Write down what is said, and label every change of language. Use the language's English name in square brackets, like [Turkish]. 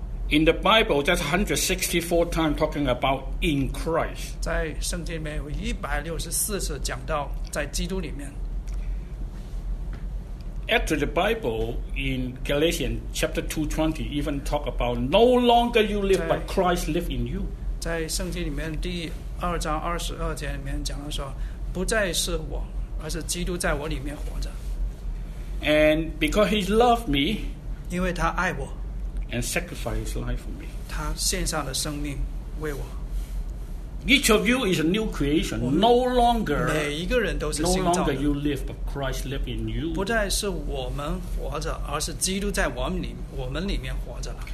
[English] in the Bible, that's 164 times talking about in Christ, [Chinese] 在圣经里面有164次讲到在基督里面 [English] After the Bible, in Galatians chapter 2:20, even talk about no longer you live, but Christ live in you, [Chinese] 在圣经里面第二章二十二节里面讲到说不再是我，而是基督在我里面活着。 [English] And because He loved me, [Chinese] 因为他爱我 [English] ，and sacrificed His life for me, [Chinese] 他献上了生命为我。 [English] Each of you is a new creation, no longer [Chinese] 每一个人都是新造 [English] 的。No longer you live, but Christ lives in you. [Chinese] 不再是我们活着，而是基督在我们里面活着了。